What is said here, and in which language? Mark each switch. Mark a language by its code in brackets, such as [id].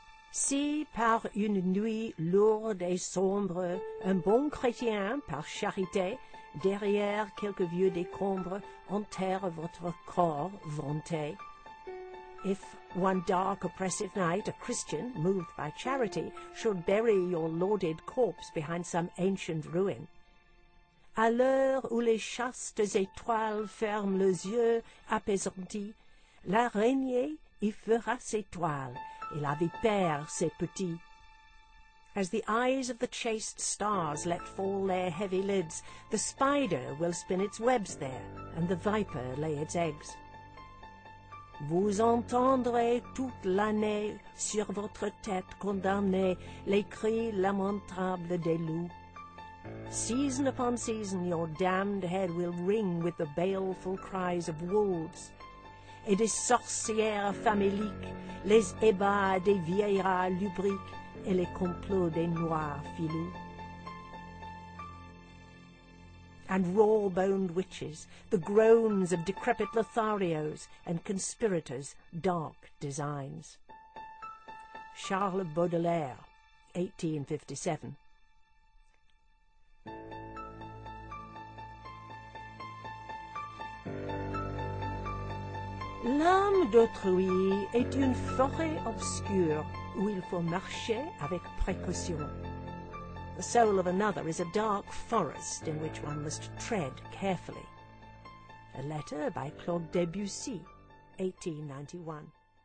[fr] Si par une nuit lourde et sombre, un bon chrétien, par charité, derrière quelques vieux décombres, enterre votre corps vanté. [en] If one dark oppressive night a Christian, moved by charity, should bury your lauded corpse behind some ancient ruin. [fr] À l'heure où les chastes étoiles ferment les yeux apaisantis, l'araignée y fera ses toiles, et la vipère ses petits. [en] As the eyes of the chaste stars let fall their heavy lids, the spider will spin its webs there, and the viper lay its eggs. [fr] Vous entendrez toute l'année sur votre tête condamnée les cris lamentables des loups. [en] Season upon season, your damned head will ring with the baleful cries of wolves. [fr] Et des sorcières faméliques les ébats des vieillards lubriques et les complots des noirs filous. [en] And raw-boned witches, the groans of decrepit Lotharios and conspirators' dark designs. Charles Baudelaire, 1857. [fr] L'âme d'autrui est une forêt obscure où il faut marcher avec précaution. [en] The soul of another is a dark forest in which one must tread carefully. A letter by Claude Debussy, 1891.